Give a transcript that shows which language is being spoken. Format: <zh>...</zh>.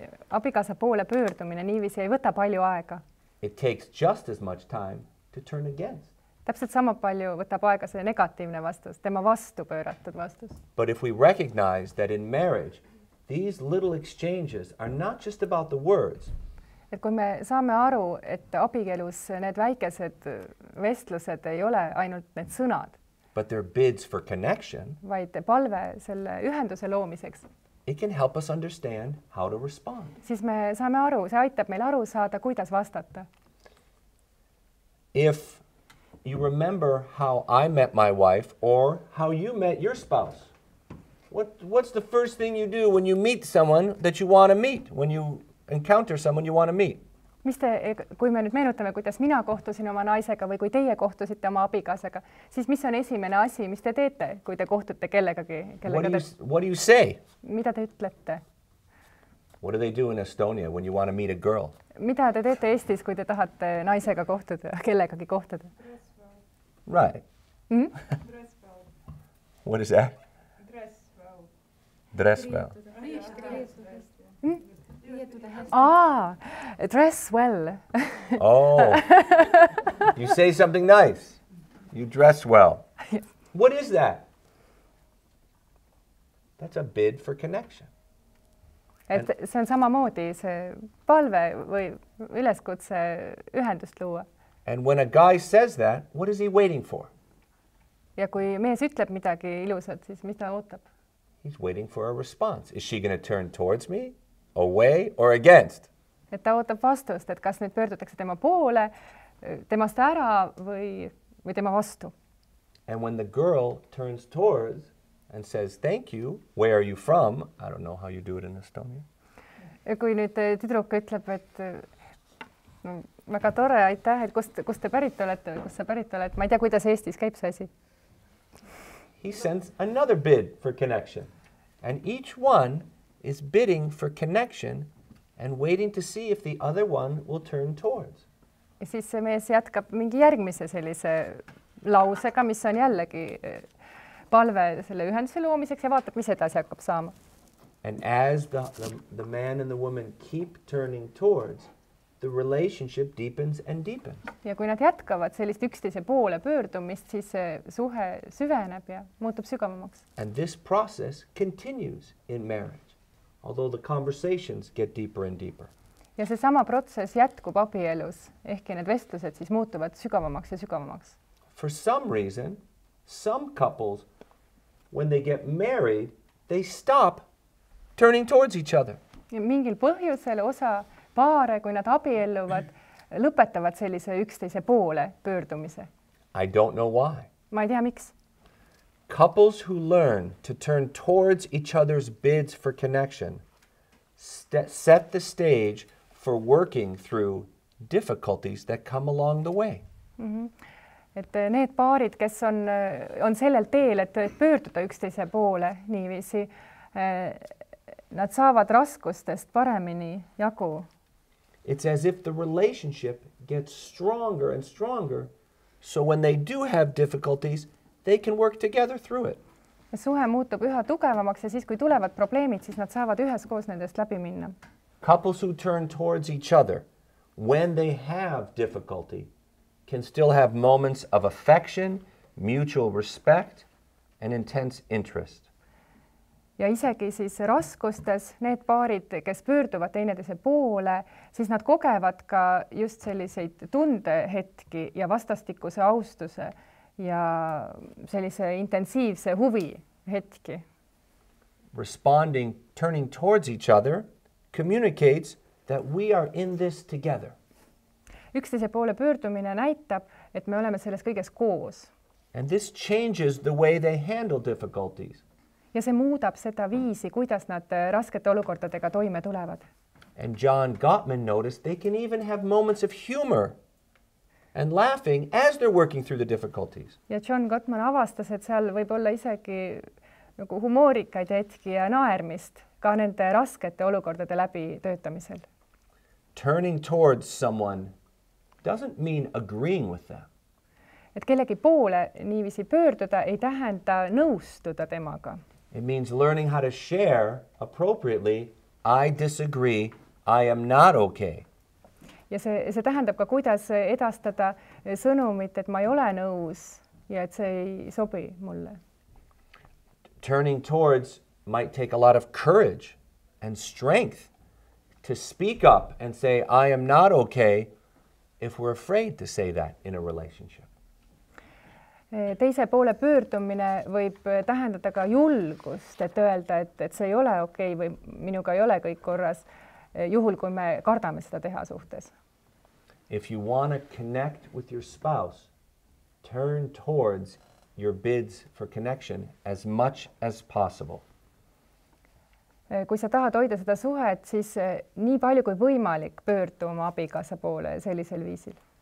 <et>Abikaasa poole pöördumine niivisi ei võta palju aega.</et> <en>It takes just as much time to turn against.</en> <et>Täpselt sama palju võtab aega see negatiivne vastus, tema vastu pööratud vastus.</et> <en>But if we recognize that in marriage, these little exchanges are not just about the words.</en> <et>Et kui me saame aru, et abikelus need väikesed vestlused ei ole ainult need sõnad.</et> <en>But they're bids for connection.</en> <et>Vaid palve selle ühenduse loomiseks.</et> <en>It can help us understand how to respond.</en> <et>Siis me saame aru, see aitab meil aru saada, kuidas vastata.</et> <en>If you remember how I met my wife or how you met your spouse, what's the first thing you do when you meet someone that you want to meet, when you encounter someone you want to meet?</en> <et>Mis te, kui me nüüd meenutame, kuidas mina kohtusin oma naisega või kui teie kohtusite oma abikaasega, siis mis on esimene asi, mis te teete, kui te kohtute kellegagi?</et> <en>What do you say?</en> <et>Mida te ütlete?</et> <en>What do they do in Estonia when you want to meet a girl?</en> <et>Mida te teete Eestis, kui te tahate naisega kohtuda, kellegagi kohtuda?</et> <en>Right. Mm-hmm. What is that? Dress well. Dress well. Oh, you say something nice. You dress well. Yeah. What is that? That's a bid for connection.</en> <et>Et see on samamoodi see palve või üleskutse ühendust luua.</et> <en>And when a guy says that, what is he waiting for?</en> <et>Ja kui mees ütleb midagi ilusat, siis mis ta ootab?</et> <en>He's waiting for a response. Is she going to turn towards me, away, or against?</en> <et>Et ta ootab vastust, et kas nüüd pöördutakse tema poole, temast ära või tema vastu.</et> <en>And when the girl turns towards and says, thank you, where are you from? I don't know how you do it in Estonia.</en> <et>Ja kui nüüd tüdruk ütleb, et väga tore, aitäh, et kust te pärit olete või kust sa pärit oled, ma ei tea, kuidas Eestis käib see asi.</et> <en>He sends another bid for connection. And each one is bidding for connection and waiting to see if the other one will turn towards.</en> <et>Ja siis see mees jätkab mingi järgmise sellise lausega, mis on jällegi palve selle ühenduse loomiseks ja vaatab, mis edasi hakkab saama.</et> <en>And as the man and the woman keep turning towards, the relationship deepens and deepens.</en> <et>Ja kui nad jätkavad sellist üksteise poole pöördumist, siis suhe süveneb ja muutub sügavamaks.</et> <en>And this process continues in marriage, although the conversations get deeper and deeper.</en> <et>Ja see sama protsess jätkub abielus, ehkki need vestlused siis muutuvad sügavamaks ja sügavamaks.</et> <en>For some reason, some couples, when they get married, they stop turning towards each other.</en> <et>Ja mingil põhjusel osa paare, kui nad abielluvad, lõpetavad sellise üksteise poole pöördumise.</et> <en>I don't know why.</en> <et>Ma ei tea, miks.</et> <en>Couples who learn to turn towards each other's bids for connection set the stage for working through difficulties that come along the way. Mm-hmm.</en> <et>Et need paarid, kes on sellel teel, et pöörduda üksteise poole niiviisi, nad saavad raskustest paremini jagu.</et> <en>It's as if the relationship gets stronger and stronger, so when they do have difficulties, they can work together through it.</en> <et>Suhe muutub üha tugevamaks ja siis, kui tulevad probleemid, siis nad saavad ühes koos nendest läbi minna.</et> <en>Couples who turn towards each other when they have difficulty can still have moments of affection, mutual respect, and intense interest.</en> <et>Ja isegi siis raskustes need paarid, kes pöörduvad teineteise poole, siis nad kogevad ka just selliseid tundehetki ja vastastikuse austuse ja sellise intensiivse huvi hetki.</et> <en>Responding, turning towards each other, communicates that we are in this together.</en> <et>Üksteise poole pöördumine näitab, et me oleme selles kõiges koos.</et> <en>And this changes the way they handle difficulties.</en> <et>Ja see muudab seda viisi, kuidas nad raskete olukordadega toime tulevad.</et> <en>And John Gottman noticed they can even have moments of humor and laughing as they're working through the difficulties.</en> <et>Ja John Gottman avastas, et seal võib olla isegi nagu humoorikaid hetki ja naermist ka nende raskete olukordade läbi töötamisel.</et> <en>Turning towards someone doesn't mean agreeing with them.</en> <et>Et kellegi poole niivisi pöörduda ei tähenda nõustuda temaga.</et> <en>It means learning how to share appropriately, I disagree, I am not okay.</en> <et>Ja see tähendab ka, kuidas edastada sõnumit, et ma ei ole nõus ja et see ei sobi mulle.</et> <en>Turning towards might take a lot of courage and strength to speak up and say, I am not okay, if we're afraid to say that in a relationship.</en> <et>Teise poole pöördumine võib tähendada ka julgust, et öelda, et see ei ole okei või minuga ei ole kõik korras, juhul kui me kardame seda teha suhtes.</et> <en>If you want to connect with your spouse, turn towards your bids for connection as much as possible.</en> <et>Kui sa tahad hoida seda suhet, siis nii palju kui võimalik pöördu oma abikaasa poole sellisel viisil.</et>